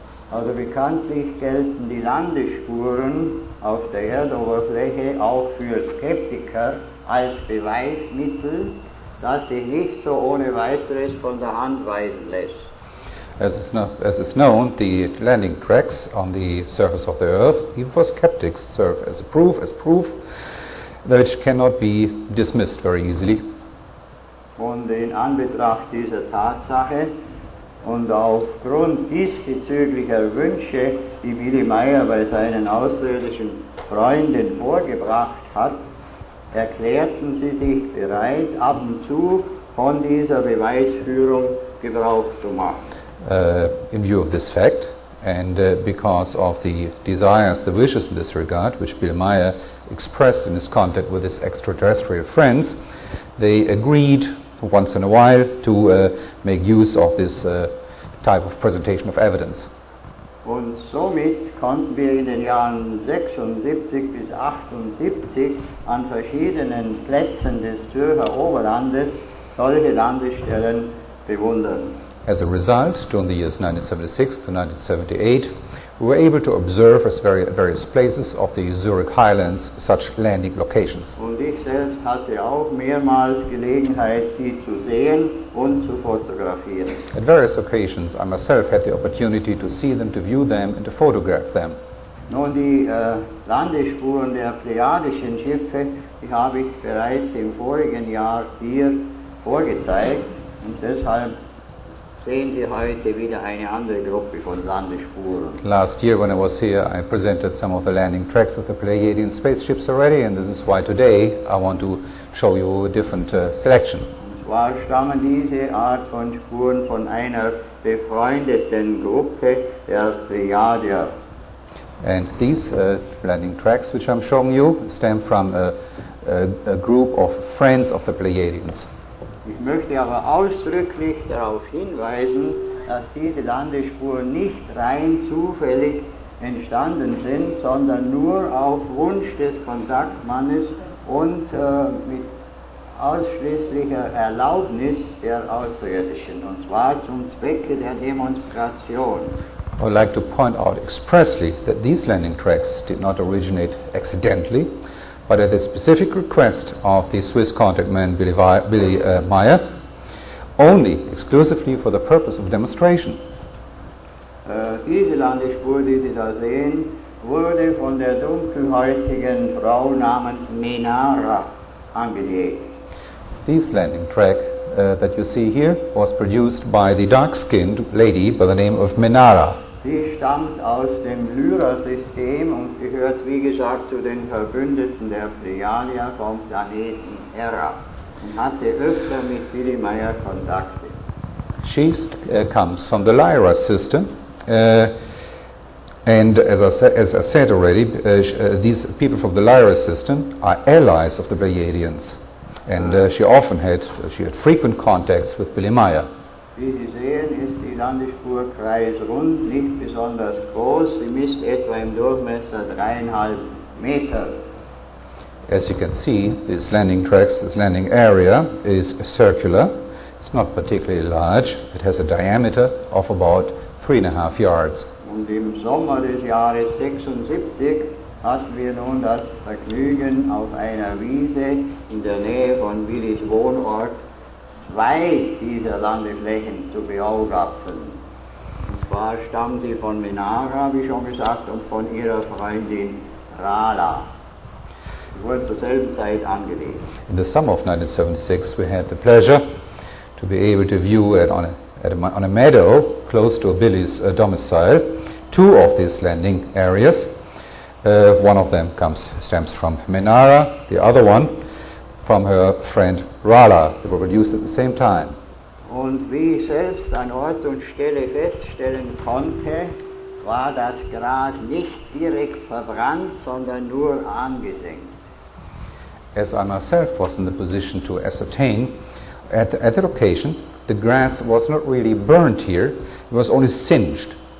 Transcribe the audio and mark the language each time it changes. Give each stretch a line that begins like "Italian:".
German: Also bekanntlich gelten die Landespuren auf der Erdoberfläche auch für Skeptiker als Beweismittel, das sich nicht so ohne weiteres von der Hand weisen lässt.
English: As is known, the landing tracks on the surface of the Earth, even for skeptics, serve as proof, which cannot be dismissed very easily.
German: Und in Anbetracht dieser Tatsache und aufgrund diesbezüglicher Wünsche, die Billy Meyer bei seinen außerirdischen Freunden vorgebracht hat, erklärten sie sich bereit, ab und zu von dieser Beweisführung Gebrauch zu machen.
English: In view of this fact, and because of the desires, the wishes in this regard, which Billy Meyer expressed in his contact with his extraterrestrial friends, they agreed once in a while to make use of this type of presentation of evidence.
German: Und somit konnten wir in den Jahren 76 bis 78 an verschiedenen Plätzen des Zürcher Oberlandes solche Landestellen bewundern.
English: As a result, during the years 1976 to 1978, we were able to observe at various places of the Zurich Highlands such landing locations.
German: Und ich selbst hatte auch mehrmals Gelegenheit, sie zu sehen und zu fotografieren.
English: At various occasions, I myself had the opportunity to see them, to view them, and to photograph them.
German: Nun, die Landespuren der Plejadischen Schiffe, die habe ich bereits im vorigen Jahr hier vorgezeigt, und deshalb sehen Sie heute wieder eine andere Gruppe von Landespuren.
English: Last year when I was here, I presented some of the landing tracks of the Pleiadian spaceships already, and this is why today I want to show you a different selection.
German: Und zwar stammen diese Art von Spuren von einer befreundeten Gruppe der Pleiadier.
English: And these landing tracks, which I'm showing you, stem from a group of friends of the Pleiadians.
German: Ich möchte aber ausdrücklich darauf hinweisen, dass diese Landespuren nicht rein zufällig entstanden sind, sondern nur auf Wunsch des Kontaktmannes und mit ausschließlicher Erlaubnis der Außerirdischen, und zwar zum Zwecke der Demonstration.
English: I would like to point out expressly that these landing tracks did not originate accidentally, but at the specific request of the Swiss contact man Billy Meyer, only, exclusively for the purpose of demonstration.
German: Diese Landespur, die Sie da sehen, wurde von der dunkelhäutigen Frau namens Menara angelegt.
English: This landing track that you see here was produced by the dark-skinned lady by the name of Menara.
German: Sie stammt aus dem Lyra-System und gehört, wie gesagt, zu den Verbündeten der Plejadier vom Planeten Hera und hatte öfter mit Billy Meyer Kontakte.
English: She comes from the Lyra system, and as I said already, these people from the Lyra system are allies of the Pleiadians, and she had frequent contacts with Billy Meyer.
German: Wie Sie sehen, ist die Landespur kreisrund, nicht besonders groß. Sie misst etwa im Durchmesser 3,5 Meter.
English: As you can see, this landing tracks, this landing area is circular. It's not particularly large. It has a diameter of about 3.5 yards.
German: Und im Sommer des Jahres 76 hatten wir nun das Vergnügen, auf einer Wiese in der Nähe von Billys Wohnort zwei dieser Landeflächen zu beobachten. Und zwar stammen sie von Menara, wie schon gesagt, und von ihrer Freundin Strahla. Sie wurden zur selben Zeit angelegt.
English: In the summer of 1976 we had the pleasure to be able to view on a meadow close to Billy's domicile two of these landing areas. One of them stems from Menara, the other one from her friend Rala. They were produced at the same time.
German: Und wie ich selbst an Ort und Stelle feststellen konnte, war das Gras nicht direkt verbrannt, sondern nur angesenkt.
English: As I myself was in the position to ascertain, at the location, the grass was not really burnt here, it was only singed.